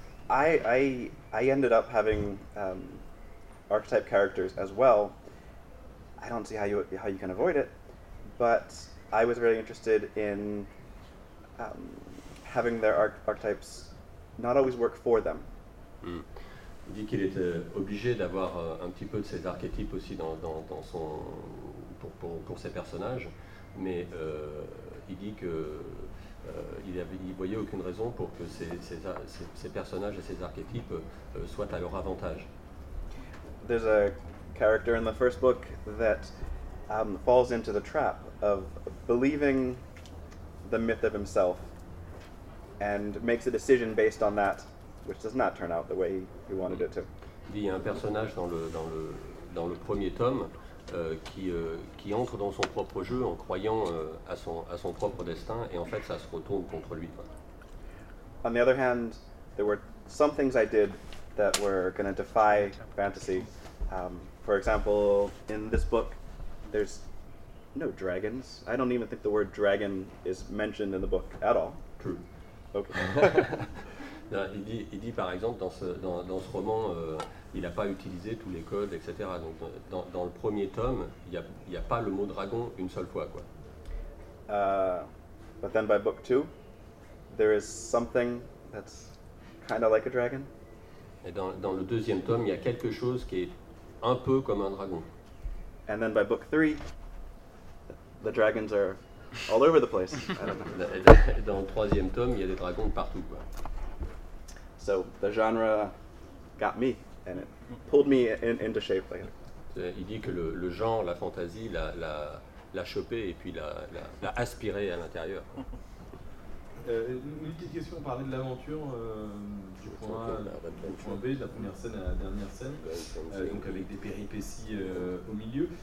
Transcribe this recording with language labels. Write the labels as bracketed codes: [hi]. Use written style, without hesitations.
[en] I ended up having archetype characters as well. I don't see how you can avoid it, but I was really interested in having their archetypes not always work for them. [fr] Il dit qu'il était obligé d'avoir un petit peu de ces archétypes aussi dans son pour ses personnages, mais il dit que il voyait aucune raison pour que ces personnages et ces archétypes soient à leur avantage. [en] There's a character in the first book that falls into the trap of believing the myth of himself and makes a decision based on that, which does not turn out the way he wanted it to. [fr] Il y a un personnage dans le premier tome qui entre dans son propre jeu en croyant à son propre destin, et en fait ça se retourne contre lui. [en] On the other hand, there were some things I did that were going to defy fantasy. For example, in this book, there's no dragons. I don't even think the word dragon is mentioned in the book at all. True. Okay. [fr] Non, il dit par exemple dans ce roman, il n'a pas utilisé tous les codes, etc. Donc dans le premier tome, il y a pas le mot dragon une seule fois, quoi. [en] But then by book two, there is something that's kind of like a dragon. [fr] Et dans le deuxième tome, il y a quelque chose qui est un peu comme un dragon. [en] And then by book three, the dragons are all over the place. [fr] Dans le troisième tome, il y a des dragons partout, quoi. [en] So the genre got me and it pulled me into shape. [fr] Il dit que le genre, la fantasy, l'a chopé et puis l'a aspiré à l'intérieur. Une petite question, on parlait de l'aventure du point A au point B, de la première scène à la dernière scène, donc avec des péripéties au milieu.